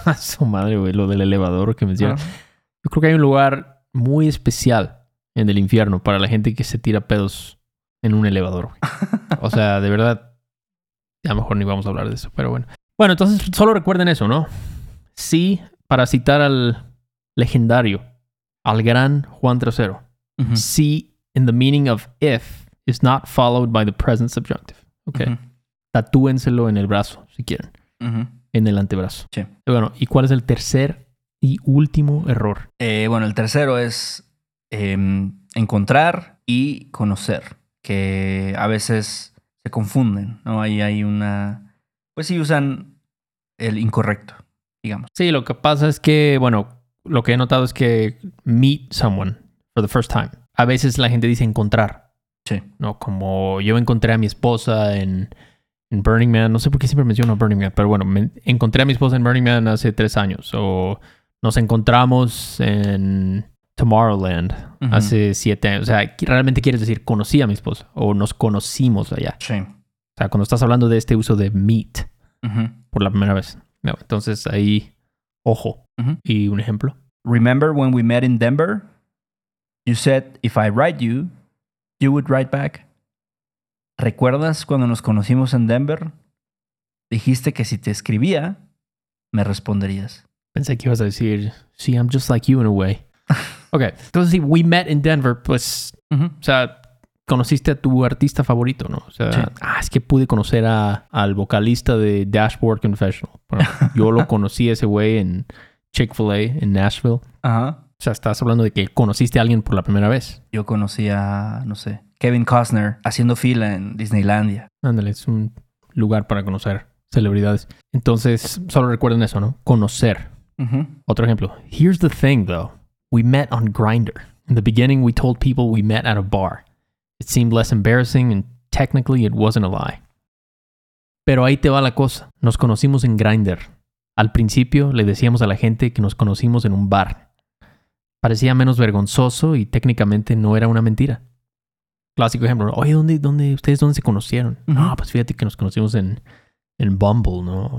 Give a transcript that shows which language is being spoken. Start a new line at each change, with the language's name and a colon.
Spanish: Su madre, güey, lo del elevador que mencionas. Yo creo que hay un lugar muy especial en el infierno para la gente que se tira pedos en un elevador, güey. O sea, de verdad, a lo mejor ni vamos a hablar de eso, pero bueno. Bueno, entonces solo recuerden eso, ¿no? Sí, para citar al legendario, al gran Juan Trasero.
English: Sí, in the meaning of if, is not followed by the present subjunctive. Ok.
Spanish: Tatúenselo en el brazo, si quieren. En el antebrazo. Sí. Bueno, ¿y cuál es el tercer y último error? Bueno, el tercero es encontrar y conocer. Que a veces se confunden, ¿no? Ahí hay una... Pues sí, usan el incorrecto, digamos. Sí, lo que pasa es que, bueno, lo que he notado es que meet someone for the first time. A veces la gente dice encontrar. Sí. No, como yo encontré a mi esposa en Burning Man. No sé por qué siempre menciono a Burning Man, pero bueno, encontré a mi esposa en Burning Man hace 3 años. O nos encontramos en Tomorrowland hace 7 años. O sea, realmente quieres decir conocí a mi esposa o nos conocimos allá. Sí. O sea, cuando estás hablando de este uso de meet por la primera vez. No, entonces ahí, ojo. Y un ejemplo.
English: Remember when we met in Denver? You said if I write you, you would write back.
Spanish: ¿Recuerdas cuando nos conocimos en Denver? Dijiste que si te escribía, me responderías. Pensé que ibas a decir, sí, I'm just like you in a way. Ok, entonces si we met in Denver, pues, o sea, conociste a tu artista favorito, ¿no? O sea, es que pude conocer al vocalista de Dashboard Confessional. Bueno, yo lo conocí a ese güey en Chick-fil-A, en Nashville. O sea, estás hablando de que conociste a alguien por la primera vez. Yo conocí a, no sé, Kevin Costner haciendo fila en Disneylandia. Ándale, es un lugar para conocer celebridades. Entonces, solo recuerden eso, ¿no? Conocer. Otro ejemplo. Here's the thing, though.
English: We met on Grindr. In the beginning, we told people we met at a bar. It seemed less embarrassing and technically it wasn't a lie.
Spanish: Pero ahí te va la cosa. Nos conocimos en Grindr. Al principio, le decíamos a la gente que nos conocimos en un bar. Parecía menos vergonzoso y técnicamente no era una mentira. Clásico ejemplo. Oye, ¿dónde se conocieron? No, pues fíjate que nos conocimos en en Bumble, ¿no?